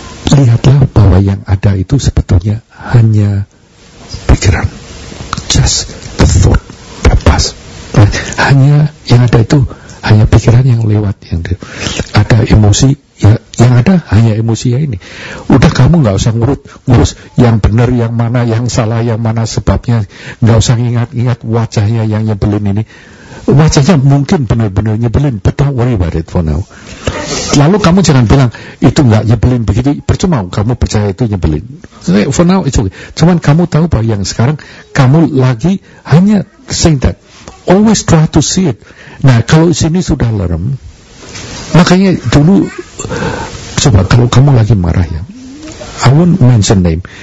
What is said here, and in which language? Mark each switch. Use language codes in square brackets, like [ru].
[id] Lihatlah bahwa yang ada itu sebetulnya hanya pikiran. [en] Just the thought that pass. [id] Hanya yang ada itu hanya pikiran yang lewat. Yang ada emosi, ya, yang ada hanya emosi ya ini. Udah kamu gak usah ngurus yang benar, yang mana, yang salah, yang mana sebabnya. Gak usah ingat-ingat wajahnya yang nyebelin ini. Wajahnya mungkin benar-benar nyebelin, [en] but don't worry about it for now. [id] Lalu kamu jangan bilang itu enggak nyebelin begitu, percuma kamu percaya itu nyebelin. [en] So, for now it's okay. [id] Cuman kamu tahu bahwa yang sekarang kamu lagi hanya [en] saying that. Always try to see it. [id] Nah, kalau sini sudah lerem, makanya dulu coba kalau kamu lagi marah ya. [en] I won't mention name.